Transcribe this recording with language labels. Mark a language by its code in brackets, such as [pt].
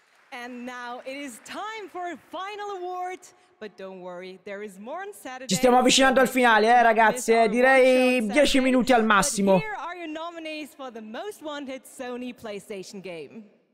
[en] And now it is time for a final award, but don't worry, there is more on Saturday. [it] Ci stiamo avvicinando al finale, ragazzi, direi 10 minuti al massimo. [en] Here are your nominees for the most wanted Sony PlayStation game.